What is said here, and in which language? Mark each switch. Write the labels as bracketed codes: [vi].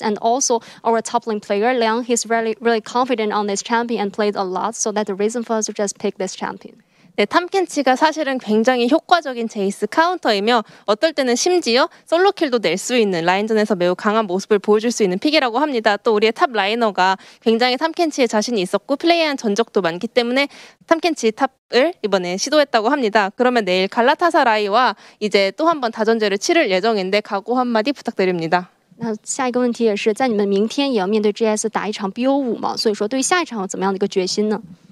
[en] And also our top lane player Liang, he's really really confident on this champion and played a lot. So that's the reason for us to just pick this champion. [ko] 네, 탐켄치가 사실은 굉장히 효과적인 제이스 카운터이며 어떨 때는 심지어 솔로킬도 낼 수 있는 라인전에서 매우 강한 모습을 보여줄 수 있는 픽이라고 합니다. 또 우리의 탑 라이너가 굉장히 탐켄치에 자신이 있었고 플레이한 전적도 많기 때문에 탐켄치 탑을 이번에 시도했다고 합니다. 그러면 내일 갈라타사라이와 이제 또 한 번 다전제를 치를 예정인데 각오 한마디 부탁드립니다. [zh] 那下一个问题也是在你们明天也要面对 GS 打一场 BO5 嘛所以说对下一场有怎么样的一个决心呢